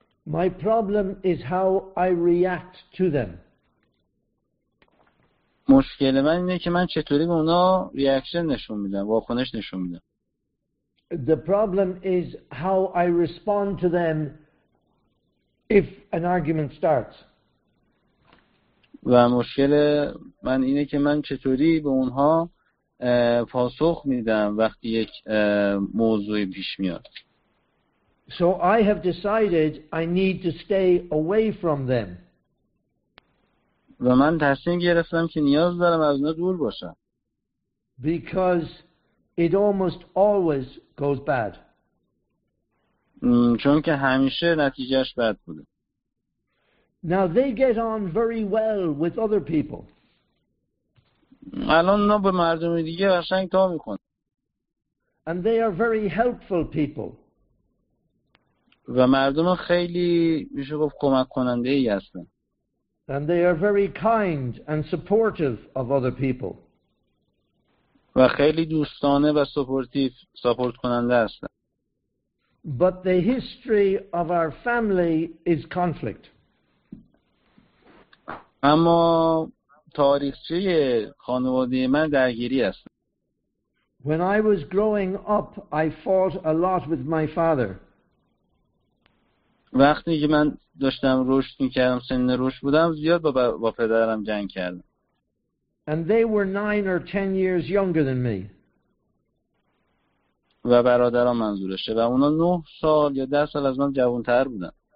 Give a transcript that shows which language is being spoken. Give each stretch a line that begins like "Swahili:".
English: My problem is how I react to them.
Persian: مشکل من اینه که من چطوری به اونا ریاکشن نشون میدم، واکنش نشون میدم.
English: The problem is how I respond to them if an argument starts.
Persian: و مشکل من اینه که من چطوری به اونها پاسخ میدم وقتی یک موضوعی پیش میاد.
English: So I have decided I need to stay away from them.
Persian: و من تصمیم گرفتم که نیاز دارم از اونها دور باشم.
English: Because it almost always goes bad.
Persian: چون که همیشه نتیجهش بد بوده.
English: Now they get on very well with other people.
Persian: الان اونا به مردم دیگه قشنگ تا میکنن.
English: And they are very helpful people.
Persian: و مردم خیلی میشه گفت کمک کننده ای هستن.
English: And they are very kind and supportive of other people.
Persian: و خیلی دوستانه و سپورتیف سپورت کننده هستن.
English: But the history of our family is conflict.
Persian: اما تاریخچه خانواده من درگیری است.
English: When I was growing up, I fought a lot with my father.
Persian: وقتی که من داشتم رشد می‌کردم، سن رشد بودم، زیاد با پدرم جنگ کردم.
English: And they were 9 or 10 years younger than me.
Persian: و برادرام منظورشه و اونا 9 سال یا 10 سال از من جوان‌تر بودن.